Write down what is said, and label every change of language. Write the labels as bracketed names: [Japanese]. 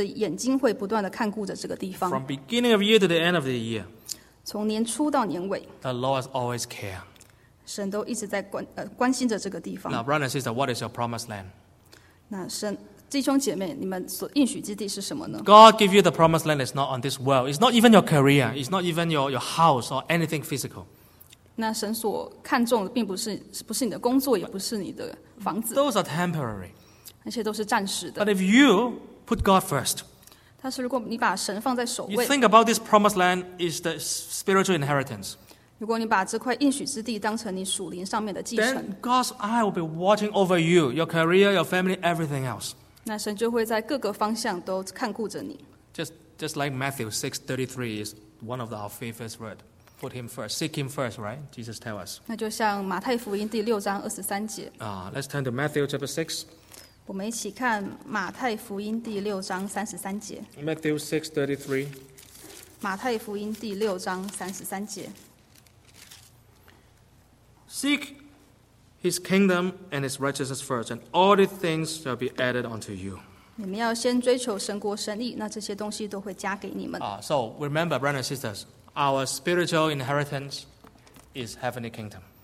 [Chinese] 但是在这里讲到的是，神的眼睛会不断地看顾着这个地方。 [English] From beginning of year to the end of the year, [Chinese] 从年初到年尾, [English] the Lord always care. [Chinese] 神都一直在关心着这个地方。 [English] Now, brother and sister, what is your promised land? [Chinese] 那神，弟兄姐妹，你们所应许之地是什么呢？ [English] God give you the promised land is not on this world. It's not even your career. It's not even your house or anything physical. [Chinese] 那神所看重的并不是你的工作，也不是你的房子。 [English] Those are temporary. [Chinese] 那些都是暂时的。 [English] But if you put God first, [Chinese] 但是如果你把神放在首位, [English] you think about this promised land is the spiritual inheritance. [Chinese] 如果你把这块应许之地当成你属灵上面的继承, [English] then God's eye will be watching over you, your career, your family, everything else. [Chinese] 那神就会在各个方向都看顾着你。 [English] Just like Matthew 6:33 is one of our favorite words. Put him first. Seek him first, right? Jesus tell us. [Chinese] 那就像马太福音第六章23节。 [English] Let's turn to Matthew chapter 6. [Chinese] 我们一起看马太福音第六章33节。 [English] Matthew 6:33. [Chinese] 马太福音第六章33节。 [English] Seek His kingdom and His righteousness first, and all these things shall be added unto you. [Chinese] 你们要先追求神国神义，那这些东西都会加给你们。 [English] So remember, brothers and sisters, our spiritual inheritance is heavenly kingdom.